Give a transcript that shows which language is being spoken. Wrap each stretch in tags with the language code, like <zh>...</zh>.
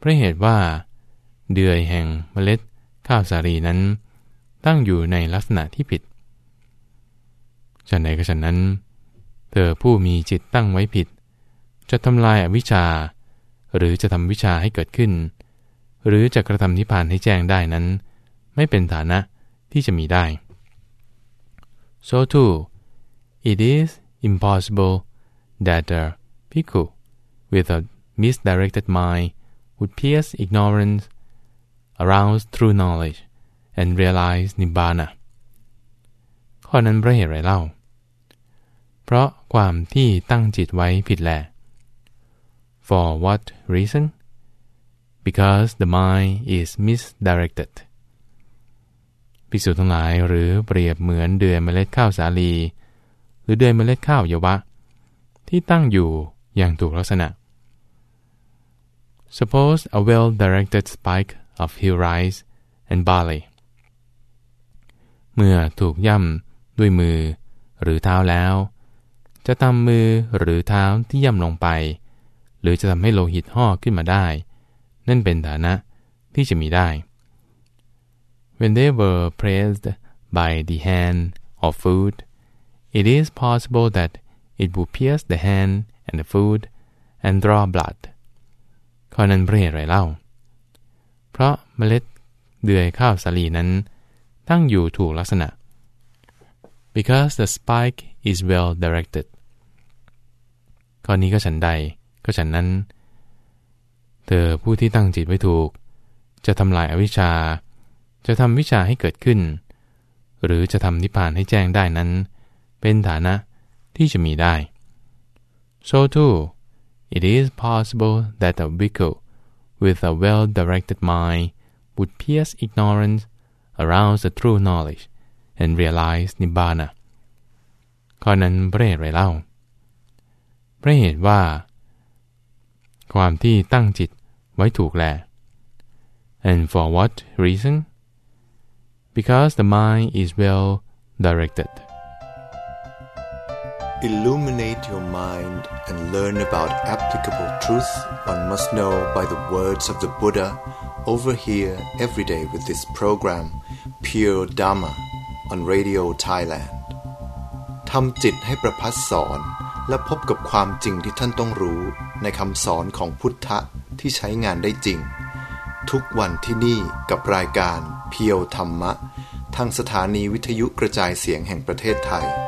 <th>พราะเหตุว่าเดือยแห่งเมล็ดข้าวสาลีนั้นตั้งอยู่ในลักษณะที่ผิด ฉันใดก็ฉันนั้นเธอผู้มีจิตตั้งไว้ผิดจะทำลายอวิชชาหรือจะทำวิชชาให้เกิดขึ้นหรือจะกระทำนิพพานให้แจ้งได้นั้นไม่เป็นฐานะที่จะมีได้</th> <en>So too, it is impossible that a bhikkhu with a misdirected mind would pierce ignorance, arouse true knowledge, and realize nibbana.</en> <th>ข้อนั้นเพราะเหตุไรเล่า เพราะความที่ตั้งจิตไว้ผิดแหละ</th> <en>For what reason? Because the mind is misdirected.</en> <th>ภิกษุทั้งหลายหรือเปรียบเหมือนเดือยเมล็ดข้าวสาลีหรือเดือยเมล็ดข้าวเยาวะที่ตั้งอยู่อย่างถูกลักษณะ</th> <en>Suppose a well-directed spike of hill rice and barley.</en> <th>เมื่อถูกย่ำด้วยมือหรือเท้าแล้วจะทำมือหรือเท้าที่ย่ำลงไปหรือจะทำให้โลหิตห่อขึ้นมาได้นั่นเป็นฐานะที่จะมีได้</th> <en>When they were pressed by the hand or food, it is possible that it would pierce the hand and the food and draw blood.</en> <th>ข้อนั้นเพราะเหตุไรเล่า เพราะเมล็ดเดือยข้าวสาลีนั้นตั้งอยู่ถูกลักษณะ</th> <en>Because the spike is well directed.</en> <th>ข้อนี้ก็ฉันใดก็ฉันนั้นเธอผู้ที่ตั้งจิตไว้ถูกจะทำลายอวิชชาจะทำวิชชาให้เกิดขึ้นหรือจะทำนิพพานให้แจ้งได้นั้นเป็นฐานะที่จะมีได้</th> <en>So too, it is possible that a bhikkhu with a well directed mind would pierce ignorance, arouse the true knowledge, and realize nibbana.</en> <th>ข้อนั้นเพราะเหตุไรเล่า เพราะเหตุว่าความที่ตั้งจิตไว้ถูกแล</th> <en>And for what reason? Because the mind is well directed. Illuminate your mind and learn about applicable truth one must know by the words of the Buddha over here every day with this program Pure Dharma on Radio Thailand.</en> <th>ทำจิตให้ประพัสสอนและพบกับความจริงที่ท่านต้องรู้ในคำสอนของพุทธะที่ใช้งานได้จริงทุกวันที่นี่กับรายการเพียวธรรมะทางสถานีวิทยุกระจายเสียงแห่งประเทศไทย</th>